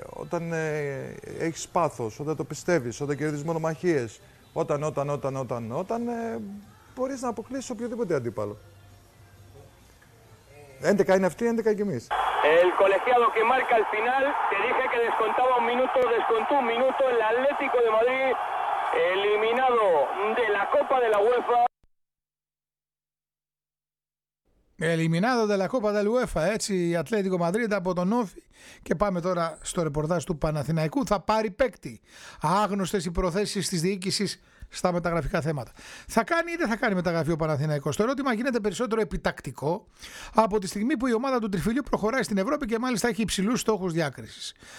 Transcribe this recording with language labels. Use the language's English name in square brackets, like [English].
[Greek] Όταν έχεις πάθος, όταν το πιστεύεις, όταν κερδίζεις μονομαχίες, όταν μπορείς να αποκλείσεις οποιοδήποτε αντίπαλο. 11 είναι αυτοί, 11 και εμείς. [Spanish] El colegiado que marca el final, te dije que descontaba un minuto, descontó un minuto el Atlético de Madrid, eliminado de la Copa de la UEFA. Eliminado de la Copa del UEFA, [Greek] έτσι, η Ατλέτικο Μαδρίτη από τον Όφη. Και πάμε τώρα στο ρεπορτάζ του Παναθηναϊκού. Θα πάρει παίκτη. Άγνωστες οι προθέσεις της διοίκησης στα μεταγραφικά θέματα. Θα κάνει ή δεν θα κάνει μεταγραφή ο Παναθηναϊκός? Το ερώτημα γίνεται περισσότερο επιτακτικό από τη στιγμή που η ομάδα του Τριφυλλίου προχωράει στην Ευρώπη και μάλιστα έχει υψηλούς στόχους διάκρισης.